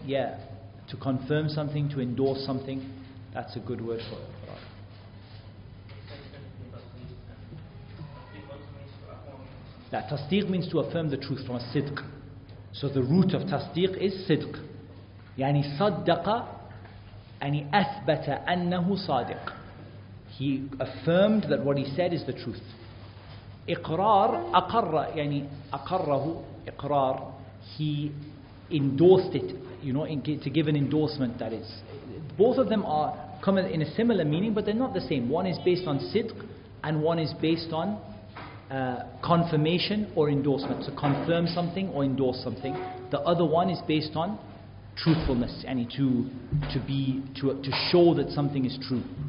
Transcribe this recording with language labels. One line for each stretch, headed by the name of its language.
English: Yeah, to confirm something, to endorse something. That's a good word for it. That tasdeeq means to affirm the truth from a sidq. So the root of tasdeeq is sidq.
Arabic: يعني صدق يعني أثبت أنه صادق.
English: He affirmed that what he said is the truth.
Arabic: إقرار أقر يعني أقره إقرار.
English: He endorsed it. You know, to give an endorsement. That is, both of them are come in a similar meaning, but they're not the same. One is based on sidq, and one is based on confirmation or endorsement. So confirm something or endorse something. The other one is based on truthfulness, yani to show that something is true.